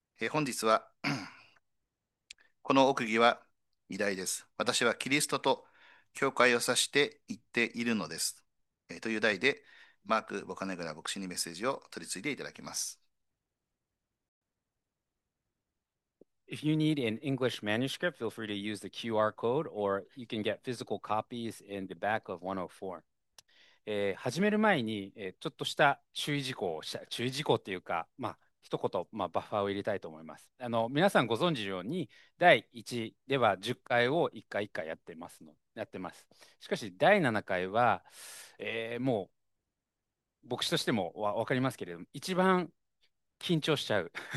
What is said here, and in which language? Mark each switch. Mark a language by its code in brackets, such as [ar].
[ja] 本日は この奥義は偉大です。私はキリストと教会を指して言っているのです。という題で、マーク・ボカネグラ牧師にメッセージを取り次いでいただきます。 [en] If you need an English manuscript, feel free to use the QR code or you can get physical copies in the back of 104. [ja] 始める前に、ちょっとした注意事項をした、注意事項っていうか、まあ、一言、まあ、バッファーを入れたいと思います。皆さんご存知ように、第1では10回を1回1回やってますの、やってます。しかし、第7回は、もう、牧師としてもわかりますけれども、一番緊張しちゃう。